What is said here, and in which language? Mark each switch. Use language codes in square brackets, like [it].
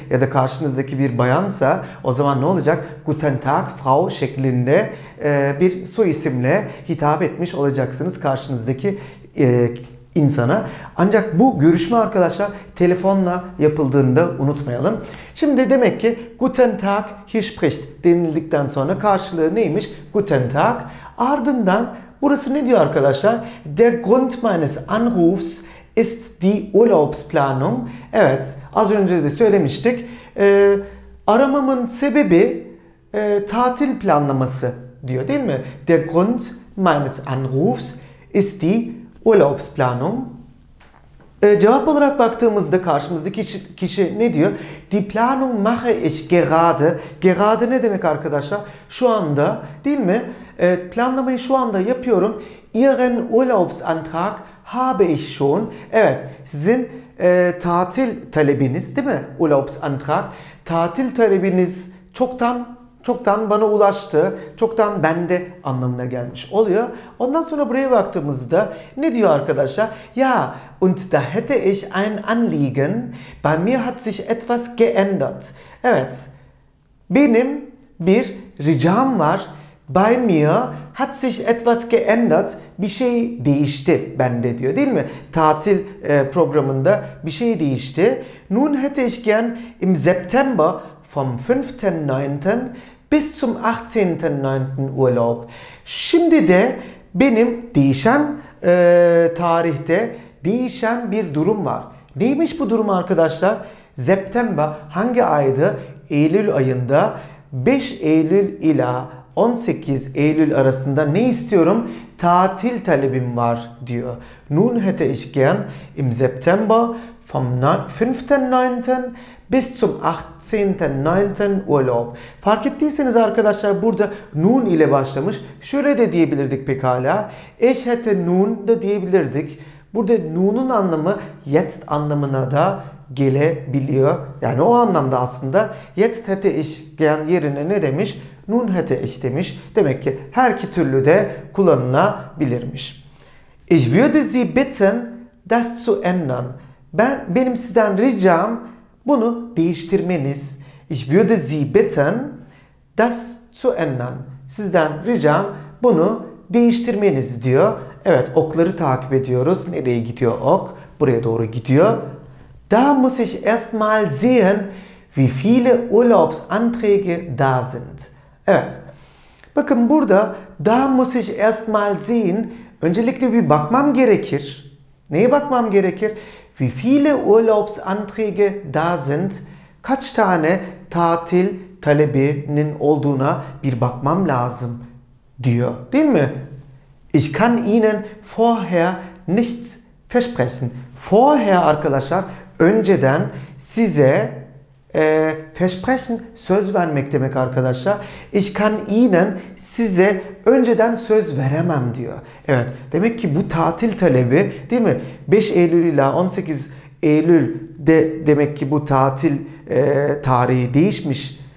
[tr] Ya da karşınızdaki bir bayansa, o zaman ne olacak? [de] Guten Tag, Frau [tr] şeklinde bir soyisimle hitap etmiş olacaksınız karşınızdaki insana. Ancak bu görüşme arkadaşlar telefonla yapıldığını da unutmayalım. Şimdi demek ki [de] Guten Tag, hier spricht [tr] denildikten sonra karşılığı neymiş? [de] Guten Tag. [tr] Ardından burası ne diyor arkadaşlar? [de] Der Grund meines Anrufs ist die Urlaubsplanung. [tr] Evet, az önce de söylemiştik. Aramamın sebebi tatil planlaması diyor, değil mi? [de] Der Grund meines Anrufs ist die Urlaubsplanung. [tr] Cevap olarak baktığımızda karşımızdaki kişi ne diyor? [de] Die Planung mache ich gerade. [tr] Gerade ne demek arkadaşlar? Şu anda, değil mi? Planlamayı şu anda yapıyorum. [de] Ihren Urlaubsantrag habe ich schon. [tr] Evet, sizin tatil talebiniz, değil mi? Urlaubsantrag. Tatil talebiniz çoktan bana ulaştı. Çoktan bende anlamına gelmiş oluyor. Ondan sonra buraya baktığımızda ne diyor arkadaşlar? [de] Ja, und da hätte ich ein Anliegen. Bei mir hat sich etwas geändert. [tr] Evet, benim bir ricam var. [de] Bei mir hat sich etwas geändert. [tr] Bir şey değişti bende diyor, değil mi? Tatil programında bir şey değişti. [de] Nun hätte ich gern im September vom 5.9. bis zum 18.9. Urlaub. [tr] Şimdi de benim değişen tarihte değişen bir durum var. Neymiş bu durum arkadaşlar? September hangi aydı? Eylül ayında. 5 Eylül ila 18 Eylül arasında ne istiyorum? Tatil talebim var diyor. [de] Nun hätte ich gern im September vom 5.9. bis zum 18.9. Urlaub. [tr] Fark ettiyseniz arkadaşlar burada nun ile başlamış. Şöyle de diyebilirdik pekala. [de] Ich hätte nun [tr] da diyebilirdik. Burada nun'un anlamı jetzt anlamına da gelebiliyor. Yani o anlamda aslında [de] jetzt hätte ich gern [tr] yerine ne demiş? [de] Nun hätte ich [tr] demiş. Demek ki her iki türlü de kullanılabilirmiş. [de] Ich würde Sie bitten, das zu ändern. [tr] Benim sizden ricam bunu değiştirmeniz. [de] Ich würde Sie bitten, das zu ändern. [tr] Sizden ricam bunu değiştirmeniz diyor. Evet, okları takip ediyoruz. Nereye gidiyor ok? Buraya doğru gidiyor. [de] Da muss ich erst mal sehen, wie viele Urlaubsanträge da sind. Evet. [tr] Bakın burada da [de] muss ich erst mal sehen. [tr] Öncelikle bir bakmam gerekir. Neye bakmam gerekir? [de] Wie viele Urlaubsanträge da sind? [tr] Kaç tane tatil talebinin olduğuna bir bakmam lazım diyor. Değil mi? [de] Ich kann Ihnen vorher nichts versprechen. [tr] Vorher arkadaşlar, önceden size versprechen söz vermek demek arkadaşlar. [de] Ich kann Ihnen [tr] size önceden söz veremem diyor. Evet, demek ki bu tatil talebi, değil mi? 5 Eylül ile 18 Eylül de demek ki bu tatil tarihi değişmiş.